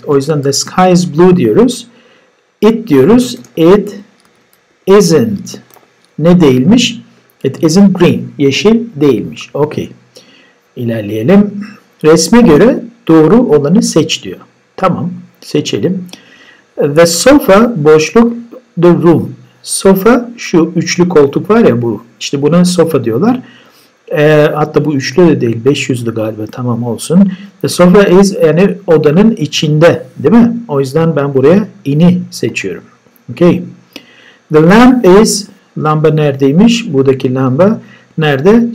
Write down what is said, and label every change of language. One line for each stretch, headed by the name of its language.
Turkish: O yüzden
English: the sky is blue
Turkish: diyoruz.
English: It
Turkish: diyoruz.
English: It isn't.
Turkish: Ne değilmiş?
English: It isn't green.
Turkish: Yeşil değilmiş. Okay. İlerleyelim. Resme göre doğru olanı seç diyor. Tamam. Seçelim.
English: The sofa, boşluk, the room.
Turkish: Sofa, şu üçlü koltuk var ya bu. İşte buna sofa diyorlar. Hatta bu üçlü de değil. 500'lü galiba. Tamam, olsun.
English: The sofa is,
Turkish: yani odanın içinde. Değil mi? O yüzden ben buraya in'i seçiyorum. Okay.
English: The lamp is,
Turkish: lamba neredeymiş? Buradaki lamba. Nerede?